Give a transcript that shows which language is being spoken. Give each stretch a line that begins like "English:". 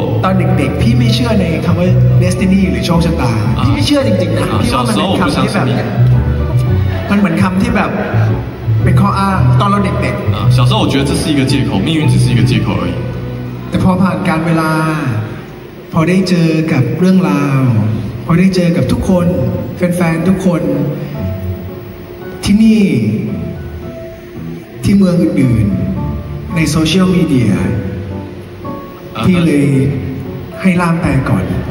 Thai: ตอนเด็กๆพี่ไม่เชื่อในคำว่าdestiny หรือโชคชะตาพี่ไม่เชื่อจริงๆนะพี่ว่ามันเป็นคำที่แบ บมันเหมือนคำที่แบบเป็นข้ออ้างตอนเราเด็ก
Chinese: ๆ小时候我觉得这是一个借口命运只是一个借口而已
Thai: แต่พอผ่านการเวลาพอได้เจอกับเรื่องราวพอได้เจอกับทุกคนแฟนๆทุกคนที่นี่ที่เมืองอื่นๆในโซเชียลมีเดียที่เลยให้ล่ามแปลก่อน